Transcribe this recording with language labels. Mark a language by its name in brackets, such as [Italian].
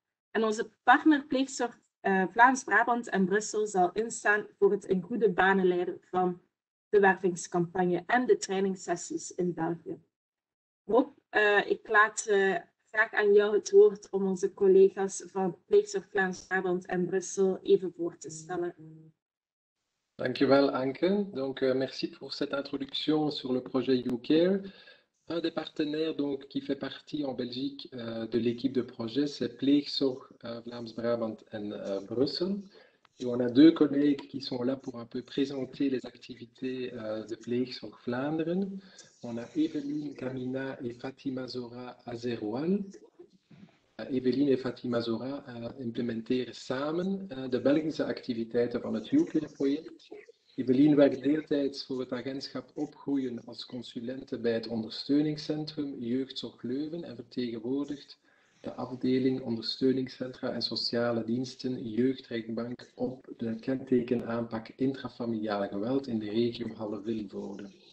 [Dutch] En onze partner pleegzorg Vlaams-Brabant en Brussel zal instaan voor het in goede banen leiden van de wervingscampagne en de trainingssessies in België. Rob, ik laat graag aan jou het woord om onze collega's van Pleegzorg Vlaams-Brabant en Brussel even voor te stellen. Dankjewel Anke. [French] Donc, merci pour cette introduction sur le projet YouCare. Un des partenaires donc, qui fait partie en Belgique de l'équipe de projet, c'est Pleegzorg Vlaams-Brabant en Brussel. Et on a deux collègues qui sont là pour un peu présenter les activités de Pleegzorg Vlaanderen. On a Evelyne Camina et Fatima Zora Azeroual. [Dutch] Evelien en Fatima Zora implementeren samen de Belgische activiteiten van het Juncker-project. Evelien werkt deeltijds voor het agentschap Opgroeien als consulente bij het ondersteuningscentrum Jeugdzorg Leuven en vertegenwoordigt de afdeling ondersteuningscentra en sociale diensten Jeugdrechtbank op de kentekenaanpak intrafamiliale geweld in de regio Halle-Vilvoorde.